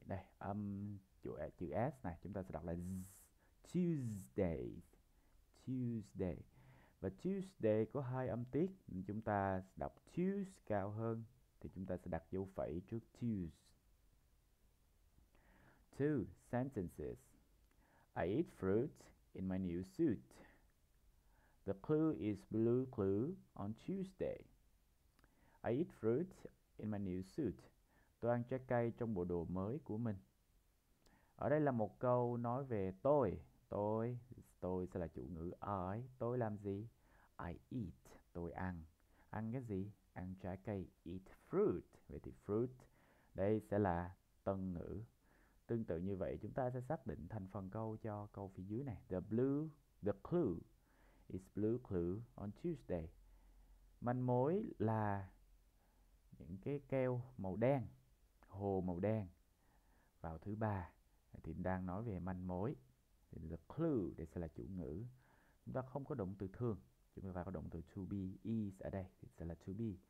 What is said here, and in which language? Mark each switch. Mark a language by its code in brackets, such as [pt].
[vi] Đây, âm chữ S này, chúng ta sẽ đọc là z, Tuesday, Tuesday. Và Tuesday có hai âm tiết, chúng ta đọc Tues cao hơn, thì chúng ta sẽ đặt dấu phẩy trước Tues. [en] Two sentences. I eat fruit in my new suit. The clue is blue clue on Tuesday. I eat fruit in my new suit. [vi] Tôi ăn trái cây trong bộ đồ mới của mình. Ở đây là một câu nói về tôi. Tôi sẽ là chủ ngữ I. Tôi làm gì? [en] I eat. [vi] Tôi ăn. Ăn cái gì? Ăn trái cây. [en] Eat fruit. [vi] Vậy thì fruit đây sẽ là tân ngữ. Tương tự như vậy, chúng ta sẽ xác định thành phần câu cho câu phía dưới này. [en] The clue is blue clue on Tuesday. [vi] Manh mối là những cái keo màu đen, hồ màu đen vào thứ ba. Thì đang nói về manh mối. Thì [en] the clue [vi] đây sẽ là chủ ngữ. Chúng ta không có động từ thường. Chúng ta phải có động từ to be, is ở đây. Thì sẽ là to be.